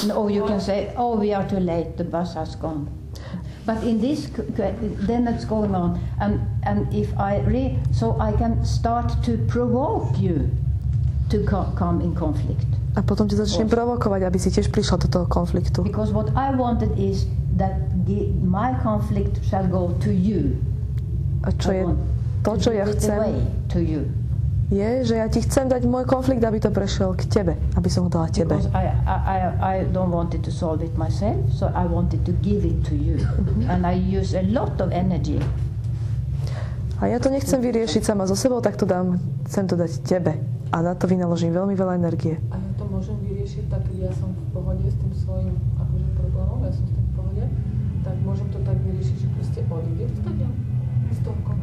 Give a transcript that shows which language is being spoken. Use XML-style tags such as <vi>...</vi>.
<en>No, you can say, oh, we are too late, the bus has gone. But in this, then it's going on, and if I so I can start to provoke you to come in conflict.</en> <sk>A potom ti začnem provokovať, aby si tiež prišla do toho konfliktu.</sk> <en>Because what I wanted is that my conflict shall go to you.</en> <sk>A čo je to, čo ja chcem?</sk> <en>To you.</en> <sk>Je, že ja ti chcem dať môj konflikt, aby to prešiel k tebe, aby som ho dala tebe.</sk> <en>I don't want it to solve it myself, so I wanted to give it to you. And I use a lot of energy.</en> <sk>A ja to nechcem vyriešiť sama so sebou, tak to dám, chcem to dať tebe. A na to vynaložím veľmi veľa energie. A ja to môžem vyriešiť, tak ja som v pohode s tým svojím akože problémom, ja som v tým pohode, tak môžem to tak vyriešiť, že proste odídem z toho.</sk>